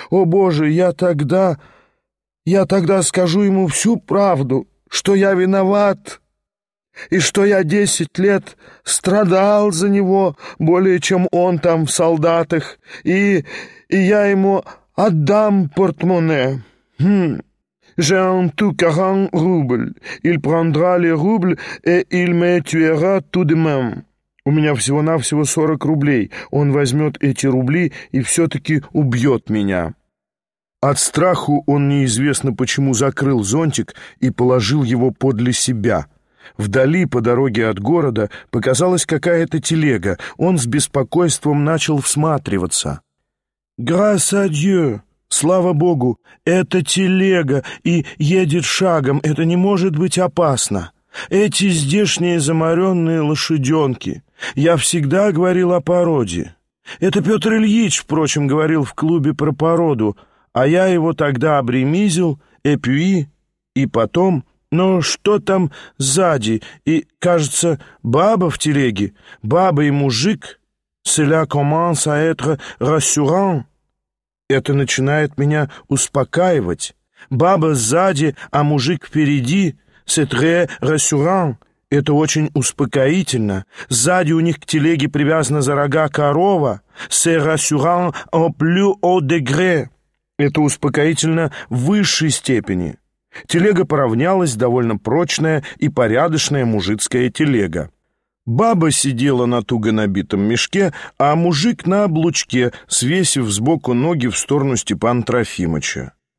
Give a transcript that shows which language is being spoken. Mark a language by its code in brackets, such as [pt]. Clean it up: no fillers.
[ru] О, Боже, я тогда скажу ему всю правду, что я виноват и что я 10 лет страдал за него более, чем он там в солдатах, и я ему... «Отдам портмоне. [fr] J'ai en tout 40 рубль. Il prendra les рубль et il me tuera tout de même». [ru] «У меня всего-навсего 40 рублей. Он возьмет эти рубли и все-таки убьет меня». От страху он неизвестно почему закрыл зонтик и положил его подле себя. Вдали, по дороге от города, показалась какая-то телега. Он с беспокойством начал всматриваться. [fr] «Grâce à Dieu! [ru] Слава Богу! Это телега и едет шагом, это не может быть опасно. Эти здешние замаренные лошаденки. Я всегда говорил о породе. Это Петр Ильич, впрочем, говорил в клубе про породу, а я его тогда обремизил, эпюи, и потом... Но что там сзади? И, кажется, баба в телеге, баба и мужик. [fr] Cela commence à être rassurant». [ru] «Это начинает меня успокаивать. Баба сзади, а мужик впереди. [fr] C'est très rassurant. [ru] Это очень успокоительно. Сзади у них к телеге привязана за рога корова. [fr] C'est rassurant au plus haut degré. [ru] Это успокоительно в высшей степени». Телега поравнялась, довольно прочная и порядочная мужицкая телега. Баба сидела на туго набитом мешке, а мужик на облучке, свесив сбоку ноги в сторону Степана Трофимыча.